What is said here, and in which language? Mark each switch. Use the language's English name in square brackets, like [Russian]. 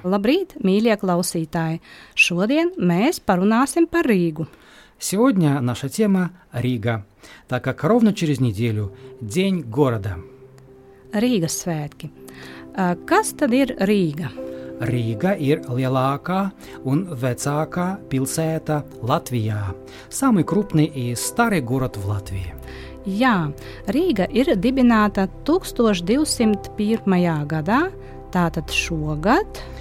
[Latvian] Labrīt, mīļie klausītāji. Šodien mēs parunāsim par Rīgu. [Russian] Сегодня наша тема Рига, так как ровно через неделю день города. [Latvian] Rīgas svētki. Kas tad ir Rīga? Rīga ir lielākā un vecākā pilsēta Latvijā. [Russian] Samai krupni i stari gorod v Latvijā. [Latvian] Jā, Rīga ir dibināta 1201. Gadā, tātad šogad.